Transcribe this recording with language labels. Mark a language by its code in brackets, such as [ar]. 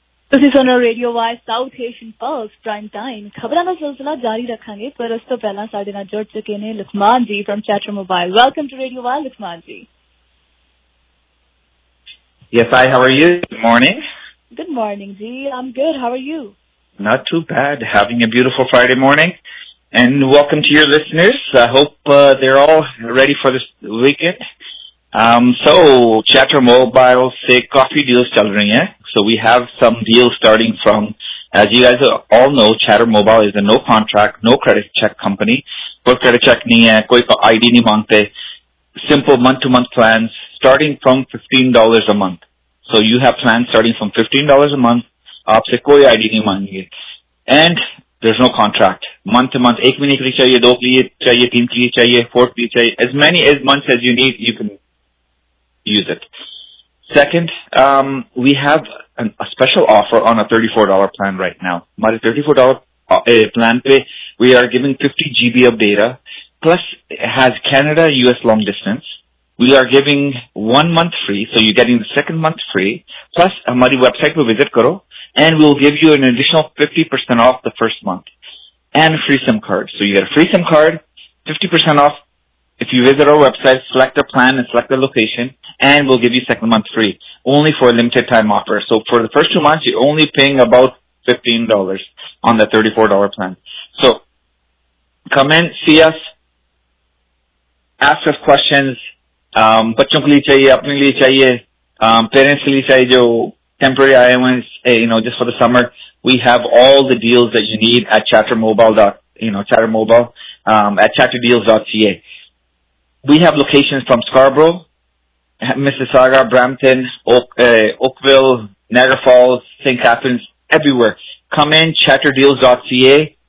[en] This is on a radio wire, South Asian Pulse, prime time. [pa] ਖਬਰਾਂ ਦਾ ਸਿਲਸਿਲਾ ਜਾਰੀ ਰੱਖਾਂਗੇ, ਪਰ ਉਸ ਤੋਂ ਪਹਿਲਾਂ ਸਾਡੇ ਨਾਲ ਜੁੜ ਚੁੱਕੇ ਨੇ ਲਖਮਾਨ ਜੀ from chatter mobile. [en] Welcome to radio ਵਾਇਰ Lakhman ji. Yes, hi, how are you? Good morning. Good morning, ji. I'm good. How are you? Not too bad. Having a beautiful Friday morning. And welcome to your listeners. I hope they're all ready for this weekend. So, Chatter Mobile से coffee deals [hi] चल रही है। [en] So, we have some deals starting from, as you guys all know, Chatter Mobile is a no contract, no credit check company. [hi] कोई credit check नहीं है, कोई ID नहीं मांगते। [en] Simple month-to-month plans starting from $15 a month. So you have plans starting from $15 a month. [hi] आपसे कोई ID नहीं मांगेंगे। [en] And there's no contract. Month to month, [hi] एक महीने के लिए चाहिए, दो के लिए चाहिए, तीन के लिए चाहिए, four के लिए चाहिए। [en] As many as months as you need, you can use it. Second, we have a special offer on a $34 plan right now. Mare $34 plan pe, we are giving 50 GB of data. Plus, it has Canada, US long distance. We are giving 1 month free, so you're getting the second month free, plus our website will visit karo, and we'll give you an additional 50% off the first month, and a free SIM card. So you get a free SIM card, 50% off, if you visit our website, select a plan and select a location, and we'll give you second month free, only for a limited time offer. So for the first 2 months, you're only paying about $15 on the $34 plan. So come in, see us, ask us questions. [hi] बच्चों के लिए चाहिए, अपने लिए चाहिए, parents के लिए चाहिए, जो [en] temporary IMs, you know, just for the summer. We have all the deals that you need at chatterdeals.ca. We have locations from Scarborough, Mississauga, Brampton, Oakville, Niagara Falls, St. Catharines, everywhere. Come in, chatterdeals.ca.